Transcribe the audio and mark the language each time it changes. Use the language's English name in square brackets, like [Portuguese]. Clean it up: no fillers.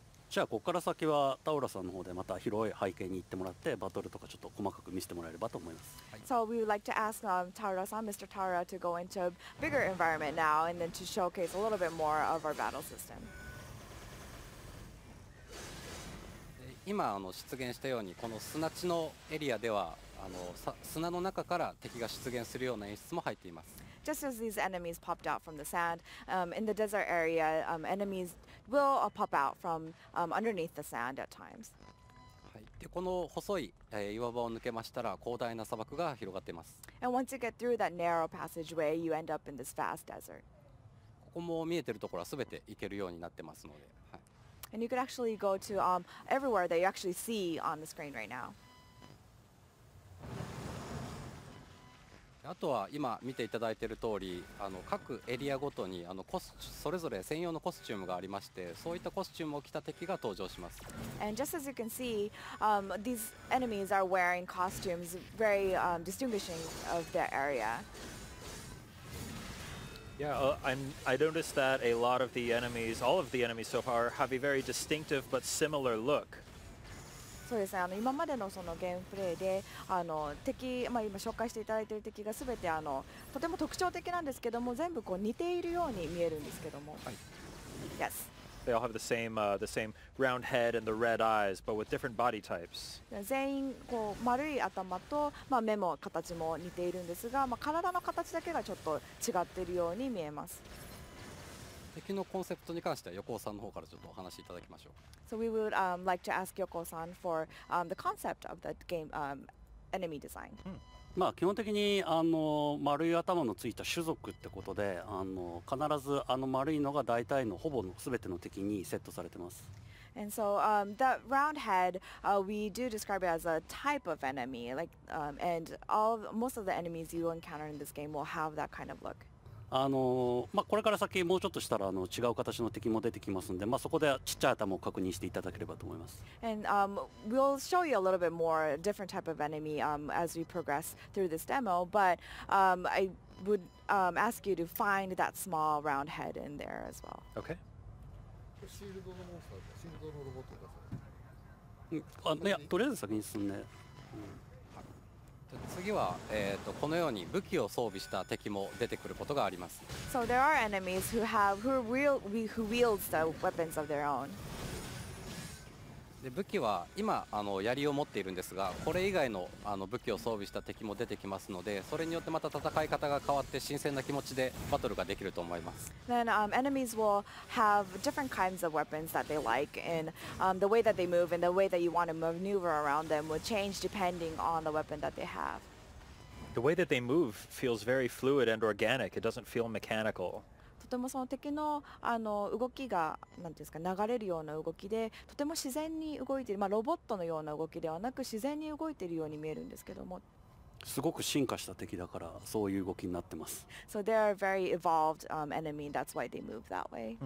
[Japanese] じゃあここから先は田浦さんの方でまた広い背景に行ってもらってバトルとかちょっと細かく見せてもらえればと思います。 [English] So we would like to ask Taro-san, Mr. Taro, to go into a bigger environment now and then to showcase a little bit more of our battle system. [Japanese] 今あの出現したようにこの砂地のエリアではあの砂の中から敵が出現するような演出も入っています。 [English] Just as these enemies popped out from the sand, in the desert area, enemies will pop out from underneath the sand at times. [Japanese] でこの細い、岩場を抜けましたら広大な砂漠が広がっています。 [English] And once you get through that narrow passageway, you end up in this vast desert. [Japanese] ここも見えてるところはすべて行けるようになってますので、はい、 [English] And you could actually go to everywhere that you actually see on the screen right now. [Japanese] あとは今見ていただいている通り、あの各エリアごとにあのそれぞれ専用のコスチュームがありまして、そういったコスチュームを着た敵が登場します。 [English] And just as you can see, these enemies are wearing costumes very distinguishing of their area. Yeah, I noticed that a lot of the enemies, all of the enemies so far, have a very distinctive but similar look. [Japanese] そうですね、あの今までの そのゲームプレイであの敵、まあ、今紹介していただいている敵が全てあのとても特徴的なんですけども、全部こう似ているように見えるんですけども、はい、 [English] Yes. They all have the same round head and the red eyes, but with different body types. [Japanese] 全員こう丸い頭と、まあ、目も形も似ているんですが、まあ、体の形だけがちょっと違っているように見えます。敵のコンセプトに関しては横尾さんの方からちょっとお話しいただきましょう。 [English] So we would like to ask Yoko-san for the concept of the game enemy design.、Hmm. [Japanese] まあ、基本的にあの丸い頭のついた種族ってことで、あの必ずあの丸いのが大体のほぼの全ての敵にセットされてます。 [English] And so, that round head, we do describe it as a type of enemy. Like, and all, most of the enemies you encounter in this game will have that kind of look. [Japanese] あの、まあ、これから先もうちょっとしたらあの違う形の敵も出てきますんで、まあ、そこでちっちゃい頭を確認していただければと思います。 [English] And, we'll show you a little bit more different type of enemy, as we progress through this demo, but, I would, ask you to find that small round head in there as well. Okay. [Japanese] シールドのモンスターとかシールドのロボットとか、うん、あ、いや、とりあえず先に進んで。次は、このように武器を装備した敵も出てくることがあります。 [English] So there are enemies who have who wields the weapons of their own. [Japanese] で、武器は今あの槍を持っているんですが、これ以外のあの武器を装備した敵も出てきますので、それによってまた戦い方が変わって新鮮な気持ちでバトルができると思います。 [English] Then enemies will have different kinds of weapons that they like, and the way that they move and the way that you want to maneuver around them will change depending on the weapon that they have. The way that they move feels very fluid and organic. It doesn't feel mechanical. [Japanese] とてもその敵 の, あの動きが何ていうんですか、流れるような動きで、とても自然に動いている、まあ、ロボットのような動きではなく自然に動いているように見えるんですけども、すごく進化した敵だからそういう動きになってます。 [English] So they are very evolved enemy, that's why they move that way.